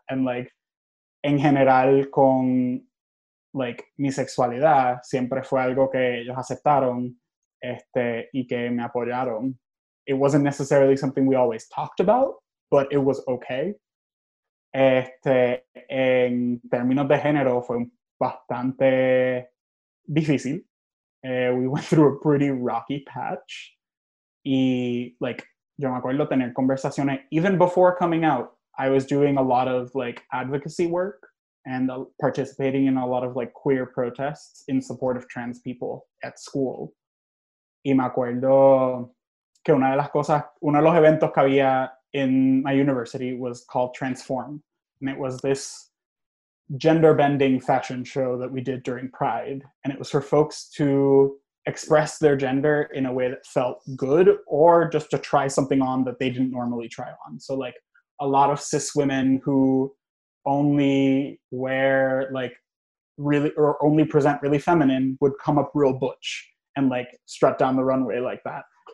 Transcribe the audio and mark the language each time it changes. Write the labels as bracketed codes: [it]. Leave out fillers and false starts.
[en] And, like, [es] en general con, like, mi sexualidad, siempre fue algo que ellos aceptaron. y que me apoyaron. [en] It wasn't necessarily something we always talked about, but it was okay. [es] En términos de género fue bastante difícil. [en] We went through a pretty rocky patch. Y like, [es] yo me acuerdo tener conversaciones, [en] even before coming out, I was doing a lot of like advocacy work and participating in a lot of like queer protests in support of trans people at school. [es] Y me acuerdo que una de las cosas, uno de los eventos que había [en] in my university was called Transform. And it was this gender-bending fashion show that we did during Pride. And it was for folks to express their gender in a way that felt good or just to try something on that they didn't normally try on. So like a lot of cis women who only wear like really or only present really feminine would come up real butch and like strut down the runway like that.